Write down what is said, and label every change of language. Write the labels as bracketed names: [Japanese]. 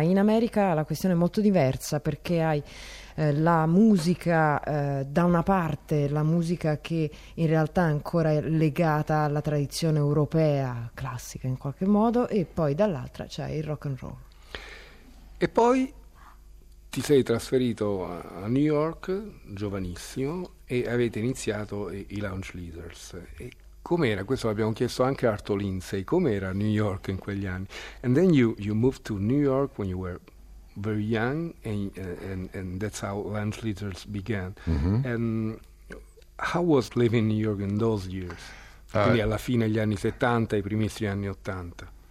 [Italian] In America la questione è molto diversa, perché hai la musica da una parte, la musica che in realtà è ancora legata alla tradizione europea classica in qualche modo, e poi dall'altra c'è il rock and roll. E poi ti sei trasferito a New York giovanissimo e avete iniziato i Lounge Leaders. E com'era? Questo l'abbiamo chiesto anche a Arthur Lindsay, com'era New York in quegli anni? [English] And then you moved to New York when you were very young, and that's how Lounge Leaders began. Mm-hmm. And how was living in New York in those years? [Italian] Quindi alla fine gli anni 70, i primissimi anni 80.